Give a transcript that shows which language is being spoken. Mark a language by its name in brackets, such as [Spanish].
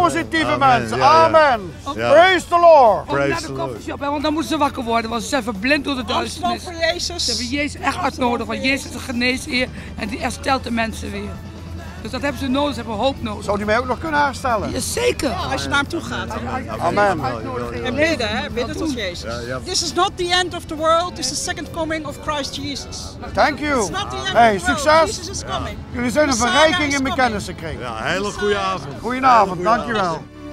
[Dutch] Positieve mensen, amen. [English] Praise the Lord. [Dutch] Ook naar de coffee shop, want dan moeten ze wakker worden. Want ze zijn verblind door de duisternis. Amsterdam voor Jezus. Ze hebben Jezus echt hard nodig, want Jezus is de geneesheer. En die herstelt de mensen weer. Dus dat hebben ze nodig, ze hebben hoop nodig. Zou die mij ook nog kunnen herstellen? Ja, zeker, ja, als je naar hem toe gaat. Amen. En bidden, hè? Bidden tot Jezus. Ja, ja. [English] This is not the end of the world, this is the second coming of Christ Jesus. Thank you. It's not the end of the world. [Dutch] Hey, succes. [English] Jesus is coming. [Dutch] Jullie zijn een verrijking in mijn kennis gekregen. Ja, hele goede avond. Goedenavond, dankjewel.